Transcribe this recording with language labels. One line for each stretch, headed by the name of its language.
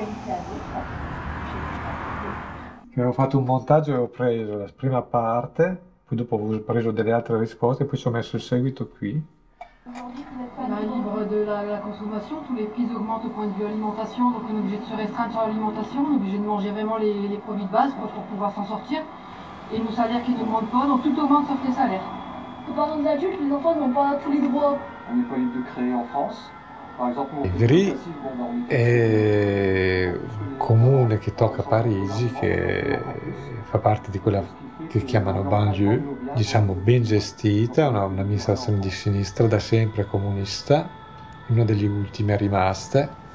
Italian: Ho fatto un montaggio e ho preso la prima parte, poi dopo ho preso delle altre risposte, poi ci ho messo il seguito qui.
French: La libre de la consommation, tous les prix augmentent au point de vue alimentation, donc on est obligé de se restreindre sur l'alimentation, on est obligé de manger vraiment les produits de base pour pouvoir s'en sortir, et nos salaires qui n'augmentent pas, donc tout augmente sauf les salaires. Nous parlons des adultes, les enfants n'ont pas tous les droits. On n'est pas libre de créer en France.
Italian: Lì è comune che tocca a Parigi, che fa parte di quella che chiamano banlieue, diciamo ben gestita, un'amministrazione di sinistra, da sempre comunista, una delle ultime rimaste.